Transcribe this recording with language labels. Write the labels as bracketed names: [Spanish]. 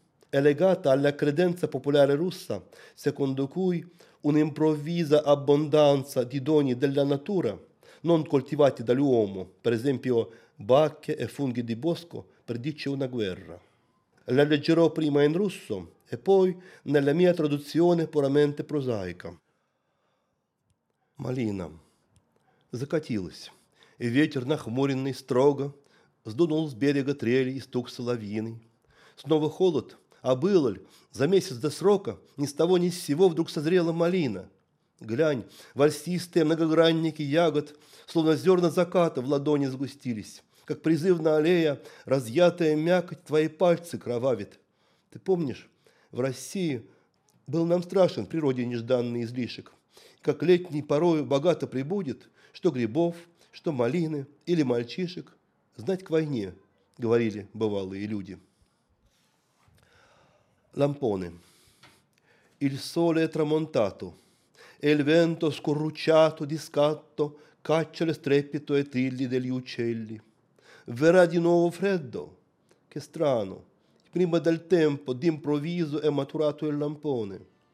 [Italian] È legata alla credenza popolare russa, secondo cui un'improvvisa abbondanza di doni della natura, non coltivati dall'uomo, per esempio bacche e funghi di bosco, predice una guerra. La leggerò prima in russo e poi nella mia traduzione puramente prosaica. [Russian] Малина. Закатилась, и ветер нахмуренный строго сдунул с берега трели и стук соловьиный. Снова холод, а было ль за месяц до срока ни с того ни с сего вдруг созрела малина. Глянь, вальсистые многогранники ягод, словно зерна заката в ладони сгустились, как призывно аллея, разъятая мякоть, твои пальцы кровавит. Ты помнишь, в России был нам страшен природе нежданный излишек, как летний порой богато прибудет, что грибов, что малины или мальчишек, знать к войне, говорили бывалые люди. [Italian] Лампоны. Il sole è tramontato, e il vento scorrucciato di scatto caccia le strepito e trilli degli uccelli. Verrà di nuovo freddo? Che strano, prima del tempo d'improvviso è maturato il lampone.